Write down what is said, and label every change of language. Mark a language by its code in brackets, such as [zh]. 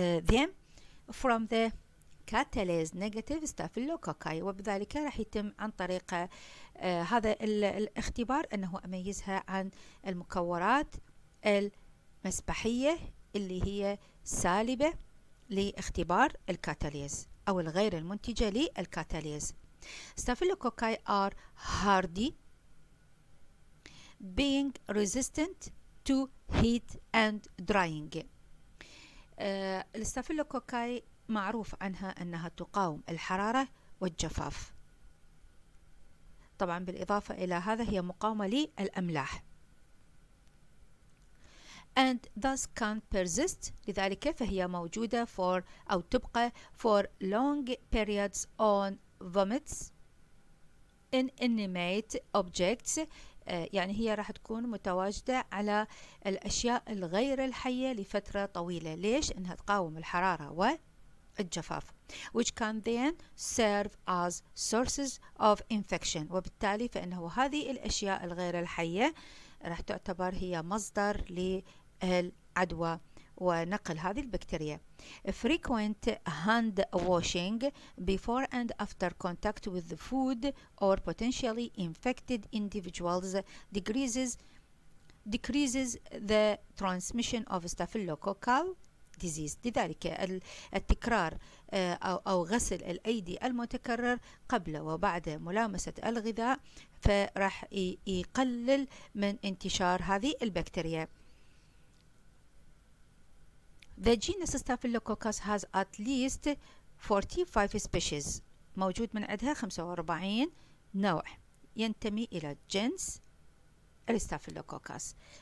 [en] them from the catalase negative staphylococci، [ar] وبذلك راح يتم عن طريق هذا الاختبار أنه أميزها عن المكورات المسبحية اللي هي سالبة لاختبار الكاتاليز أو الغير المنتجة للكاتاليز. [en] staphylococci are hardy، being resistant to heat and drying. [ar] الستافيلوكوكاي معروف عنها أنها تقاوم الحرارة والجفاف، طبعا بالإضافة إلى هذا هي مقاومة للأملاح. [en] and thus can persist، [ar] لذلك فهي موجودة for أو تبقى [en] for long periods on vomits in inanimate objects، [ar] يعني هي راح تكون متواجدة على الأشياء الغير الحية لفترة طويلة. ليش؟ إنها تقاوم الحرارة والجفاف، [en] which can then serve as sources of infection، [ar] وبالتالي فإنه هذه الأشياء الغير الحية راح تعتبر هي مصدر للعدوى ونقل هذه البكتيريا. [en] frequent hand washing before and after contact with the food or potentially infected individuals decreases the transmission of staphylococcal disease. [ar] لذلك التكرار أو غسل الأيدي المتكرر قبل وبعد ملامسة الغذاء فرح يقلل من انتشار هذه البكتيريا. [en] The genus Staphylococcus has at least 45 species، [ar] موجود من عدها 45 نوع ينتمي إلى جنس Staphylococcus.